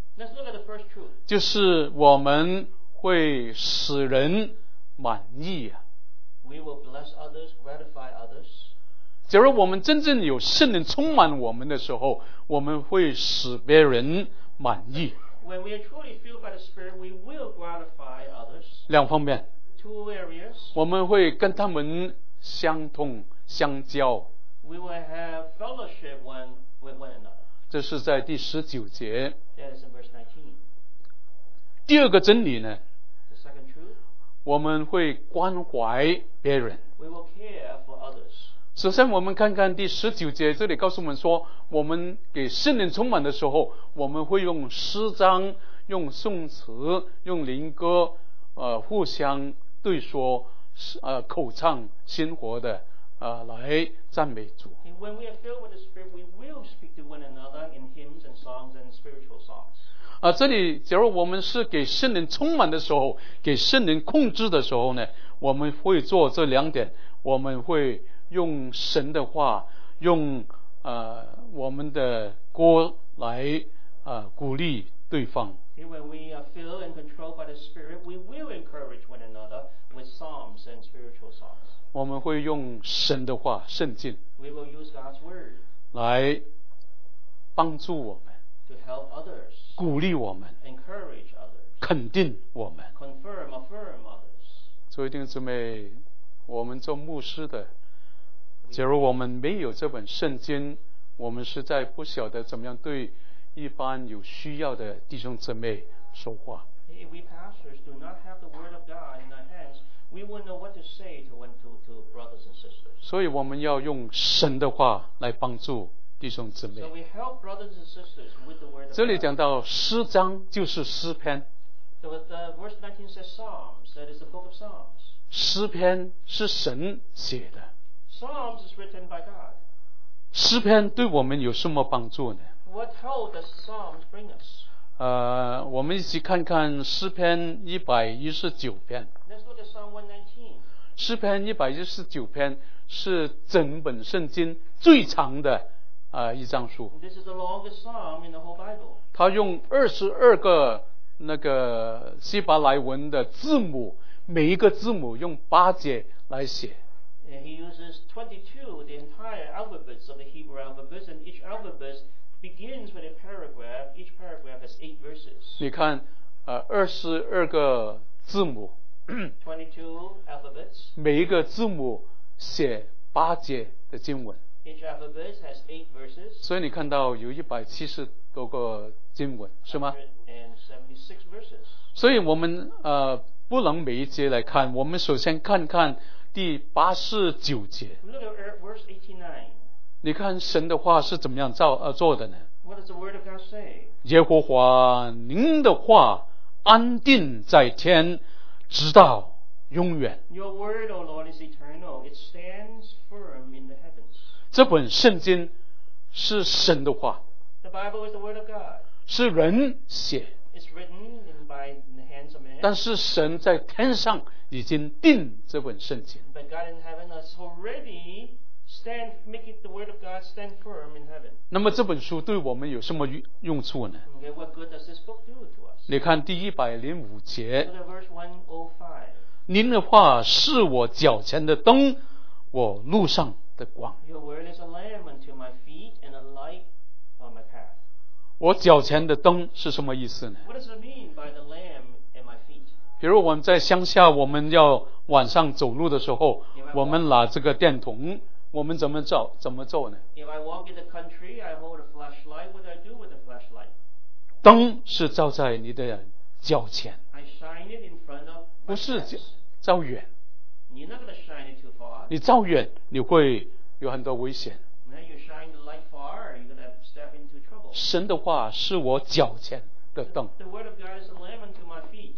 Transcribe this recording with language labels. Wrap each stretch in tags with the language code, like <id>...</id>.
<en>Let's look at the first truth.</en> <zh>就是我们会使人满意。</zh> <en>We will bless others, gratify others.</en> <zh>假如我们真正有圣灵充满我们的时候，我们会使别人满意。</zh> <en>When we are truly filled by the Spirit, we will gratify others.</en> <zh>两方面。</zh> <en>Two areas.</en> <zh>我们会跟他们相通相交。</zh> <en>We will have fellowship one with one another.</en> <zh>这是在第十九节。</zh> <en>That is in verse 19.</en> <zh>第二个真理呢？</zh> <en>The second truth.</en> <zh>我们会关怀别人。</zh> <en>We will care for others.</en> <zh>首先我们看看第十九节，这里告诉我们说，我们给圣灵充满的时候，我们会用诗章、用颂词、用灵歌，互相对说，口唱心活的。来赞美主。</zh> <en>When we are filled with the Spirit, we will speak to one another in hymns and songs and spiritual songs.</en> <zh>这里假如我们是给圣灵充满的时候，给圣灵控制的时候呢，我们会做这两点，我们会用神的话，用我们的歌来鼓励。对方。</zh> <en>When we are filled and controlled by the Spirit, we will encourage one another with psalms and spiritual songs.</en> <zh>我们会用神的话，圣经。</zh> <en>We will use God's word.</en> <zh>来帮助我们。</zh> <en>To help others.</en> <zh>鼓励我们。</zh> <en>Encourage others.</en> <zh>肯定我们。</zh> <en>Confirm, affirm others.</en> <zh>所以弟兄姊妹，我们做牧师的，假如我们没有这本圣经，我们实在不晓得怎么样对一般有需要的弟兄姊妹说话。</zh> <en>If we pastors do not have the word of God in our hands, we wouldn't know what to say to brothers and sisters.</en> <zh>所以我们要用神的话来帮助弟兄姊妹。</zh> <en>So we help brothers and sisters with the word of God.</en> <zh>这里讲到诗章就是诗篇。</zh> <en>So the verse 19 says Psalms, that is the book of Psalms.</en> <zh>诗篇是神写的。</zh> <en>Psalms is written by God.</en> <zh>诗篇对我们有什么帮助呢？</zh> <en>What help does Psalms bring us?</en> <zh>我们一起看看诗篇119篇。</zh> <en>Let's look at Psalm 119.</en> <zh>诗篇119篇是整本圣经最长的一章书。</zh> <en>This is the longest Psalm in the whole Bible.</en> <zh>它用22个那个希伯来文的字母，每一个字母用八节来写。</zh> <en>And he uses 22, the entire alphabets of the Hebrew alphabets, and each alphabet begins with a paragraph. Each paragraph has 8 verses.</en> <zh>你看，22个字母。</zh> <en>22 alphabets.</en> <zh>每一个字母写八节的经文。</zh> <en>Each alphabet has 8 verses.</en> <zh>所以你看到有170多个经文，是吗？</zh> <en>176 verses.</en> <zh>所以我们不能每一节来看，我们首先看看第89节。</zh> <en>Look at verse 89.</en> <zh>你看神的话是怎么样做的呢？</zh> <en>What does the word of God say?</en> <zh>耶和华您的话安定在天，直到永远。</zh> <en>Your word, O Lord, is eternal. It stands firm in the heavens.</en> <zh>这本圣经是神的话。</zh> <en>The Bible is the word of God.</en> <zh>是人写。</zh> <en>It's written by the hands of man.</en> <zh>但是神在天上已经定这本圣经。</zh> <en>But God in heaven has already stand, making the word of God stand firm in heaven.</en> <zh>那么这本书对我们有什么用处呢？</zh> <en>Okay, what good does this book do to us?</en> <zh>你看第105节。</zh> <en>Look at verse 105.</en> <zh>您的话是我脚前的灯，我路上的光。</zh> <en>Your word is a lamp unto my feet and a light on my path.</en> <zh>我脚前的灯是什么意思呢？</zh> <en>What does it mean by the lamp?</en> <zh>比如我们在乡下，我们要晚上走路的时候，我们拿这个电筒，我们怎么做呢？</zh> <en>If I walk in the country, I hold a flashlight. What do I do with the flashlight?</en> <zh>灯是照在你的脚前。</zh> <en>I shine it in front of my face.</en> <zh>不是照远。</zh> <en>You're not going to shine it too far.</en> <zh>你照远，你会有很多危险。</zh> <en>When you shine the light far, you're going to step into trouble.</en> <zh>神的话是我脚前的灯。</zh> <en>The word of God is a lamp unto my feet.</en>